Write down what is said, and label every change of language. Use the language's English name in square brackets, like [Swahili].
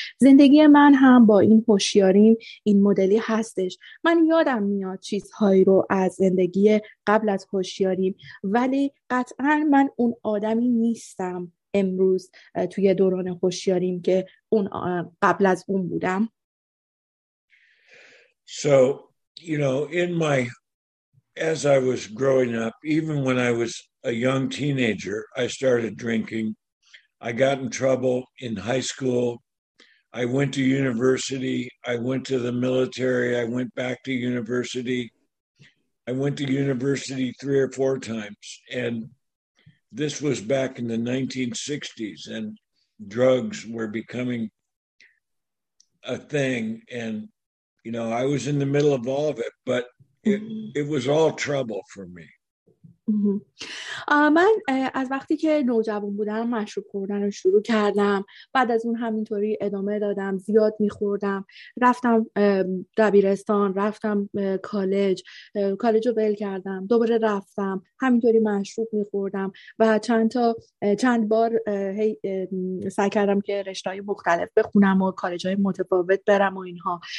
[Persian] زندگی من هم با این هوشیاریم این مدلی هستش. من یادم میاد چیزهایی رو از زندگی قبل از هوشیاریم، ولی قطعا من اون آدمی نیستم امروز توی دوران هوشیاریم که اون قبل از اون بودم. [English] So, you know, as I was growing up, even when I was a young teenager, I started drinking. I got in trouble in high school. I went to university. I went to the military. I went back to university. I went to university 3 or 4 times. And this was back in the 1960s, and drugs were becoming a thing. And, you know, I was in the middle of all of it, but It was all trouble for me. [Persian] من از وقتی که نوجوان بودم مشروب خوردن رو شروع کردم، بعد از اون همینطوری ادامه دادم، زیاد میخوردم، رفتم دبیرستان، رفتم کالج، کالج رو ول کردم، دوباره رفتم، همینطوری مشروب میخوردم و چند بار سعی کردم که رشته‌های مختلف بخونم و کالج‌های متفاوت برم و اینها.